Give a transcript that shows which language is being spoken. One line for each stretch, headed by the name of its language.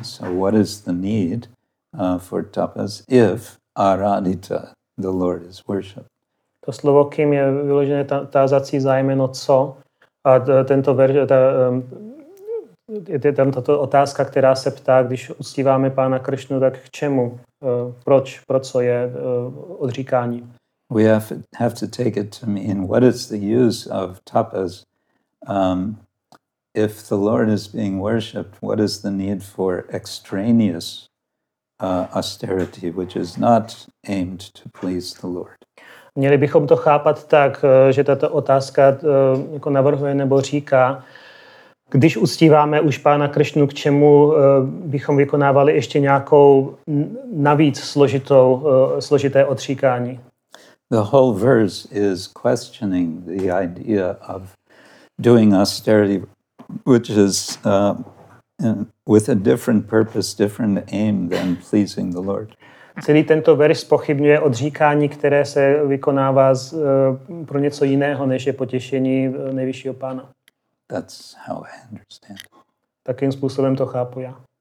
English: So what is the need for tapas if ara adita, the Lord is worshipped?
Czech: To slovo kim je vyložené tázací zájmeno co. A tento verš, je tam tato otázka, která se ptá, když uctíváme Pána Kršnu, tak k čemu? Proč? Pro co je odříkání?
English: We have to take it to mean what is the use of tapas? If the Lord is being worshipped, what is the need for extraneous austerity, which is not aimed to please the Lord?
Czech: Měli bychom to chápat tak, že tato otázka jako navrhuje nebo říká, když uctíváme už Pána Kršnu, k čemu bychom vykonávali ještě nějakou navíc složité odříkání?
English: The whole verse is questioning the idea of doing austerity, which is with a different purpose, different aim than pleasing the Lord.
Czech: Celý tento verš pochybňuje odříkání, které se vykonává pro něco jiného, než je potěšení nejvyššího Pána.
English: That's how I understand.
Czech: Takým způsobem to chápu já.